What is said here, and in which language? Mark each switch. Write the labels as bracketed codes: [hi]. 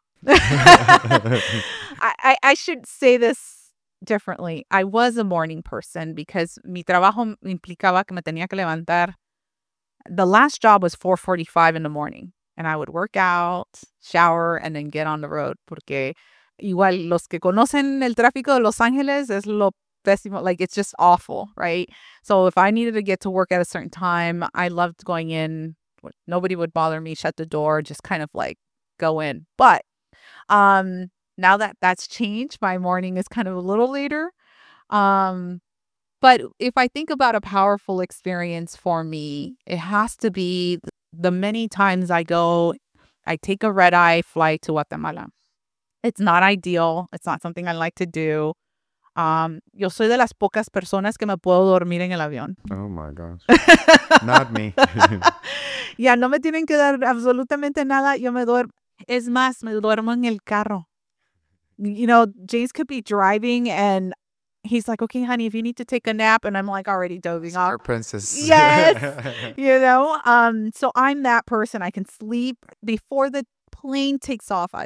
[en] I should say this differently. I was a morning person because [es] mi trabajo implicaba que me tenía que levantar. [en] The last job was 4:45 in the morning, and I would work out, shower, and then get on the road. [es] Porque igual los que conocen el tráfico de Los Ángeles es lo pésimo. [en] Like, it's just awful, right? So if I needed to get to work at a certain time, I loved going in. Nobody would bother me, shut the door, just kind of like go in. But now that that's changed, my morning is kind of a little later. But if I think about a powerful experience for me, it has to be the many times I take a red eye flight to Guatemala. It's not ideal. It's not something I like to do. [es] Yo soy de las pocas personas que me puedo dormir en el avión. [en] Oh my gosh. Not me. [es] Yeah, no me tienen que dar absolutamente nada. Yo me duermo. Es más, me duermo en el carro. [en] You know, James could be driving and he's like, okay, honey, if you need to take a nap, and I'm like already dozing off. Our princess. Yes. You know, so I'm that person. I can sleep before the plane takes off.